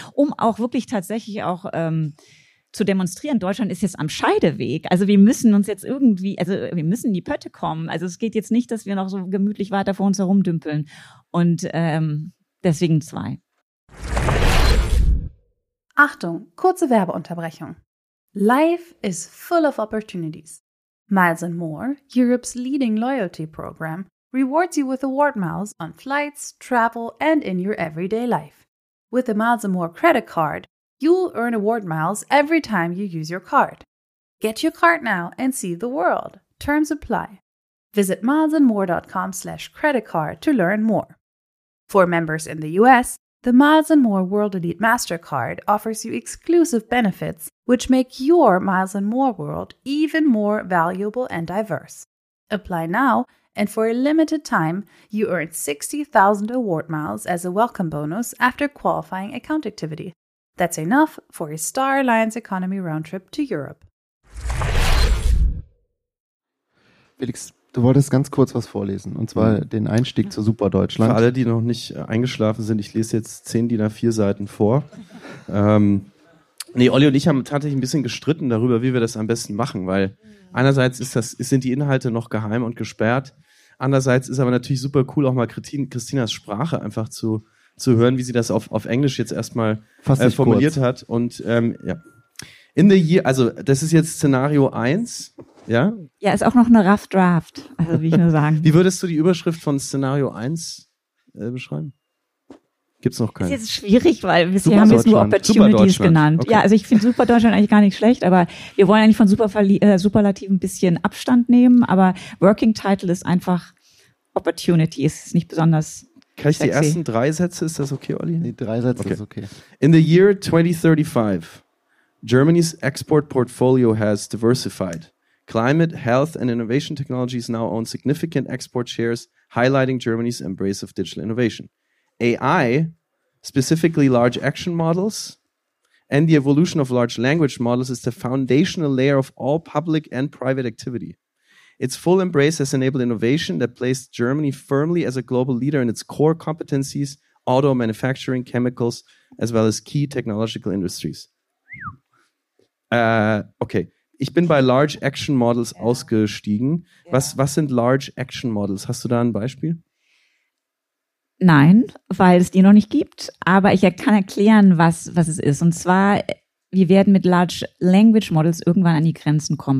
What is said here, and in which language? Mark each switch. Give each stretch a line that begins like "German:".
German: Um auch wirklich tatsächlich auch zu demonstrieren, Deutschland ist jetzt am Scheideweg. Also wir müssen uns jetzt irgendwie, also wir müssen in die Pötte kommen. Also es geht jetzt nicht, dass wir noch so gemütlich weiter vor uns herumdümpeln. Und deswegen zwei. Achtung, kurze Werbeunterbrechung.
English: Life is full of opportunities. Miles & More, Europe's leading loyalty program, rewards you with award miles on flights, travel, and in your everyday life. With the Miles & More credit card, you'll earn award miles every time you use your card. Get your card now and see the world. Terms apply. Visit milesandmore.com/creditcard to learn more. For members in the U.S., the Miles & More World Elite MasterCard offers you exclusive benefits which make your Miles & More world even more valuable and diverse. Apply now, and for a limited time, you earn 60,000 award miles as a welcome bonus after qualifying account activity. That's enough for a Star Alliance Economy round trip to Europe.
German: Felix, du wolltest ganz kurz was vorlesen, und zwar den Einstieg zur Superdeutschland. Für alle, die noch nicht eingeschlafen sind, ich lese jetzt 10 DIN A4 Seiten vor. Olli und ich haben tatsächlich ein bisschen gestritten darüber, wie wir das am besten machen, weil einerseits sind die Inhalte noch geheim und gesperrt, andererseits ist aber natürlich super cool, auch mal Christinas Sprache einfach zu hören, wie sie das auf Englisch jetzt erstmal formuliert hat. Und
English: in the year,
German: also das ist jetzt Szenario 1, ja? Ja, ist auch noch eine Rough Draft, also wie ich nur sagen. Wie würdest du die Überschrift von Szenario 1 beschreiben? Gibt es noch keine? Ist jetzt schwierig, weil wir haben jetzt nur Opportunities genannt. Okay. Ja, also ich finde Superdeutschland eigentlich gar nicht schlecht, aber wir wollen eigentlich von Superlativ ein bisschen Abstand nehmen, aber Working Title ist einfach Opportunity, ist nicht besonders Kann ich sexy. Die ersten drei Sätze, ist das okay, Olli? Nee, drei Sätze okay. Ist okay.
English: In the year 2035, Germany's export portfolio has diversified. Climate, health and innovation technologies now own significant export shares, highlighting Germany's embrace of digital innovation. AI, specifically large action models, and the evolution of large language models is the foundational layer of all public and private activity. Its full embrace has enabled innovation that placed Germany firmly as a global leader in its core competencies, auto manufacturing, chemicals, as well as key technological industries.
German: Okay, ich bin bei large action models ausgestiegen. Yeah. Was sind large action models? Hast du da ein Beispiel? Nein, weil es die noch nicht gibt, aber ich kann erklären, was es ist. Und zwar, wir werden mit Large Language Models irgendwann an die Grenzen kommen.